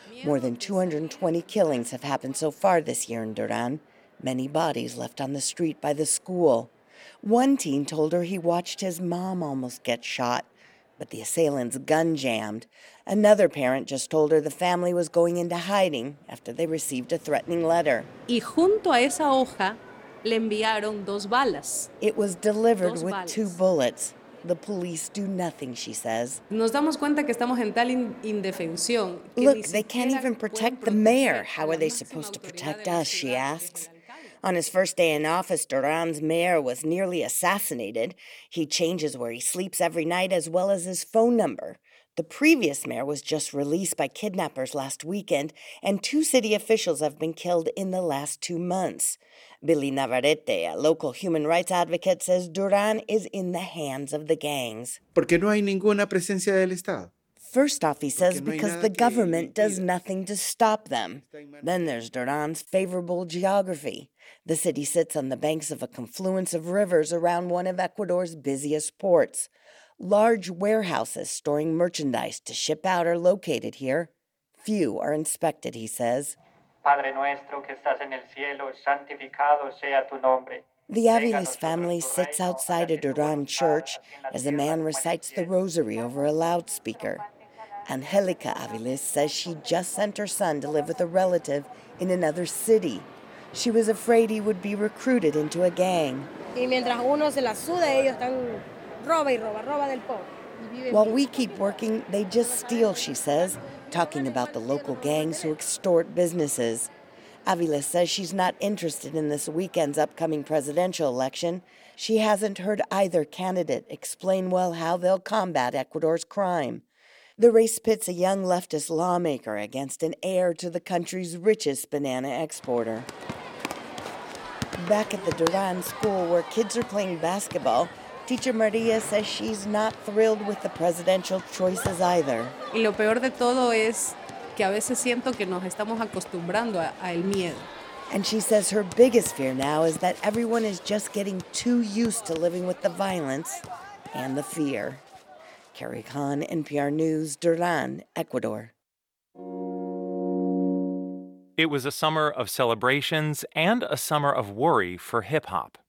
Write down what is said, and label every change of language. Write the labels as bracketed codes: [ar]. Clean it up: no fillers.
[en] More than 220 killings have happened so far this year in Durán. Many bodies left on the street by the school. One teen told her he watched his mom almost get shot, but the assailant's gun jammed. Another parent just told her the family was going into hiding after they received a threatening letter. [es] Y junto a esa hoja, le enviaron dos balas. [en] It was delivered with two bullets. The police do nothing, she says. [es] Nos damos cuenta que estamos en tal indefensión. [en] Look, they can't even protect the mayor. How are they supposed to protect us, she asks. On his first day in office, Duran's mayor was nearly assassinated. He changes where he sleeps every night as well as his phone number. The previous mayor was just released by kidnappers last weekend, and two city officials have been killed in the last 2 months. Billy Navarrete, a local human rights advocate, says Duran is in the hands of the gangs. [es] Porque no hay ninguna presencia del Estado. [en] First off, he says, because the government does nothing to stop them. Then there's Duran's favorable geography. The city sits on the banks of a confluence of rivers around one of Ecuador's busiest ports. Large warehouses storing merchandise to ship out are located here. Few are inspected, he says. [es] Padre nuestro que estás en el cielo, santificado sea tu nombre. [en] The Aviles family sits outside a Durán church as a man recites the rosary over a loudspeaker. Angelica Aviles says she just sent her son to live with a relative in another city. She was afraid he would be recruited into a gang. [es] Y mientras uno se la suda, ellos están roba y roba, roba del pobre. [en] While we keep working, they just steal, she says, talking about the local gangs who extort businesses. Avila says she's not interested in this weekend's upcoming presidential election. She hasn't heard either candidate explain well how they'll combat Ecuador's crime. The race pits a young leftist lawmaker against an heir to the country's richest banana exporter. Back at the Duran school where kids are playing basketball, teacher Maria says she's not thrilled with the presidential choices either. [es] Y lo peor de todo es que a veces siento que nos estamos acostumbrando a el miedo. [en] And she says her biggest fear now is that everyone is just getting too used to living with the violence and the fear. Carrie Khan, NPR News, Durán, Ecuador. It was a summer of celebrations and a summer of worry for hip-hop.